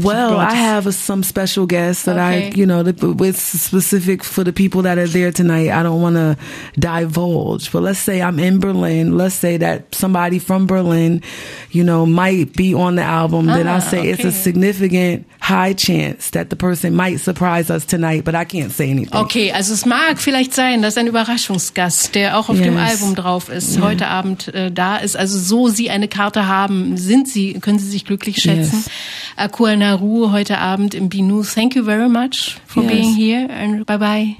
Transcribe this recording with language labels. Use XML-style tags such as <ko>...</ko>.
<en>well, I have some special guests that with specific for the people that are there tonight. I don't want to divulge, but let's say I'm in Berlin. Let's say that somebody from Berlin, you know, might be on the album. Then I say it's a significant high chance that the person might surprise us tonight, but I can't say anything.</en> <de>Okay, also es mag vielleicht sein, dass ein Überraschungs- Gast, der auch auf dem Album drauf ist, heute Abend da ist. Also so Sie eine Karte haben, sind Sie, können Sie sich glücklich schätzen. Yes. Akua Naru heute Abend im Binu.</de> <en>Thank you very much for being here and bye bye.</en>